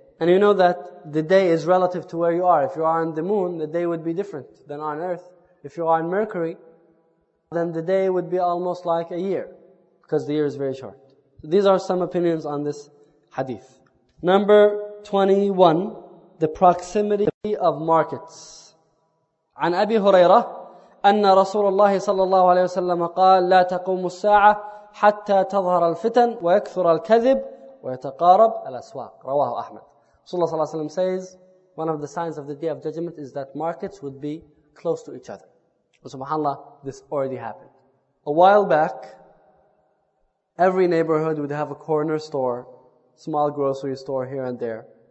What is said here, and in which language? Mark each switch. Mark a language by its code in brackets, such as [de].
[en] And you know that the day is relative to where you are. If you are on the moon, the day would be different than on Earth. If you are on Mercury, then the day would be almost like a year, because the year is very short. These are some opinions on this hadith. Number 21, the proximity of markets. [ar] عن أبي هريرة أن رسول الله صلى الله عليه وسلم قال لا تقوم الساعة حتى تظهر الفتن ويكثر الكذب ويتقارب الأسواق. رواه أحمد. [en] رسول الله صلى الله عليه وسلم says one of the signs of the day of judgment is that markets would be close to each other. Subhanallah, this already happened. A while back, every neighborhood would have a corner store, small grocery store here and there.